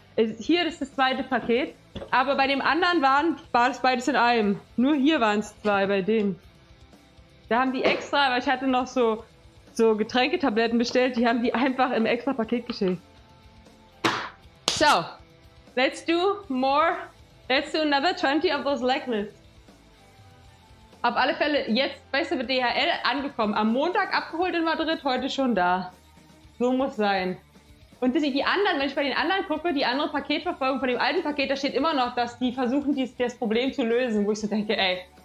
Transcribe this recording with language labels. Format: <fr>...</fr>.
<de>Hier ist das zweite Paket, aber bei dem anderen war es beides in einem. Nur hier waren es 2 bei denen. Da haben die extra, weil ich hatte noch so Getränketabletten bestellt, die haben die einfach im extra Paket geschickt.</de> <en>So, let's do another 20 of those leg lifts.</en> <de>Auf alle Fälle jetzt besser mit DHL angekommen. Am Montag abgeholt in Madrid, heute schon da. So muss sein. Und das, die anderen, wenn ich bei den anderen gucke, die andere Paketverfolgung von dem alten Paket, da steht immer noch, dass die versuchen, das Problem zu lösen, wo ich so denke, ey.</de>